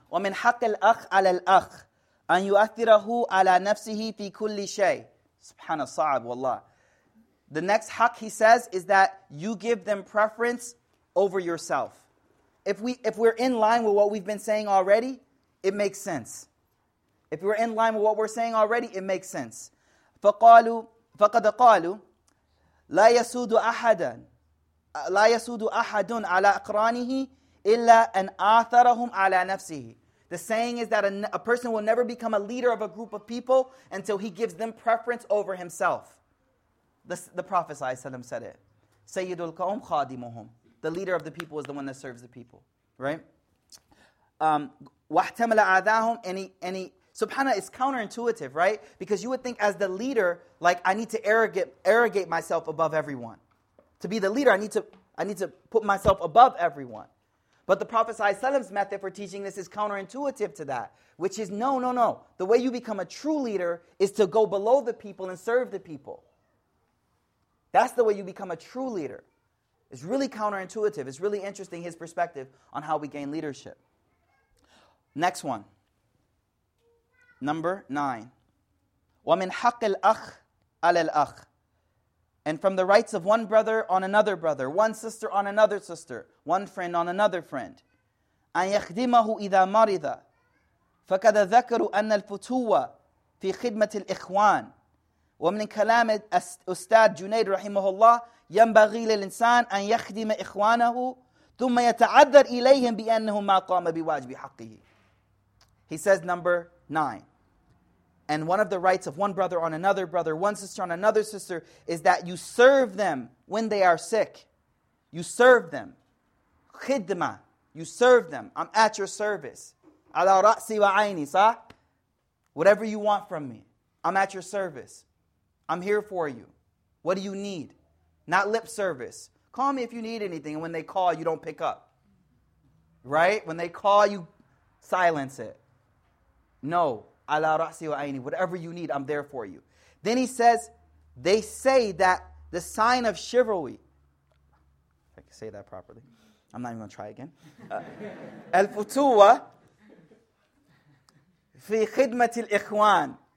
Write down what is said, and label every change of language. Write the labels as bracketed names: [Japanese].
[Arabic] وَمِنْ حَقِّ الْأَخْ عَلَى الْأَخْ أَنْ يُؤَثِّرَهُ عَلَى نَفْسِهِ فِي كُلِّ شَيْءٍ. سُبْحَانَ الصَّعَبُ وَاللَّهِ. [English] The next haq, he says, is that you give them preference over yourself. If we're in line with what we've been saying already, it makes sense. If we're in line with what we're saying already, it makes sense. [Arabic] فقالوا فقد قالوا لا يسود أحدا لا يسود أحد على أقرانه إلا أن آثرهم على نفسه. [English] The saying is that a person will never become a leader of a group of people until he gives them preference over himself. The Prophet ﷺ said it. [Arabic] سيد القوم خادمهم. [English] The leader of the people is the one that serves the people, right? [Arabic] واحتمل أذاهم any. [English] SubhanAllah, it's counterintuitive, right? Because you would think as the leader, like, I need to arrogate myself above everyone. To be the leader, I need to put myself above everyone. But the Prophet ﷺ's method for teaching this is counterintuitive to that, which is no. The way you become a true leader is to go below the people and serve the people. That's the way you become a true leader. It's really counterintuitive. It's really interesting, his perspective on how we gain leadership. Next one. Number 9. [Arabic] وَمِنْ حَقِّ الْأَخِ عَلَى الْأَخِ. [English] And from the rights of one brother on another brother, one sister on another sister, one friend on another friend. [Arabic] أَنْ يَخْدِمَهُ إِذَا مَرِضَ. فَكَذَا ذَكَرُوا أَنَّ الْفُتُوَّةَ فِي خِدْمَةِ الْإِخْوَانِ. ومن كلام أستاذ جنيد رحمه الله ينبغي للإنسان أن يخدم إخوانه ثم يتعذر إليهم بأنه ما قام بواجب حقه. [English] He says number 9. And one of the rights of one brother on another brother, one sister on another sister, is that you serve them when they are sick. You serve them. خدمة. You serve them. I'm at your service. [Arabic] على رأسي وعيني. صح? [English] Whatever you want from me, I'm at your service. I'm here for you. What do you need? Not lip service. Call me if you need anything. And when they call, you don't pick up. Right? When they call, you silence it. No. [Arabic] على رأسي وعيني. [English] Whatever you need, I'm there for you. Then he says, they say that the sign of chivalry. If I can say that properly. I'm not even going to try again. [Arabic] El Futuwa في خدمة الإخوان.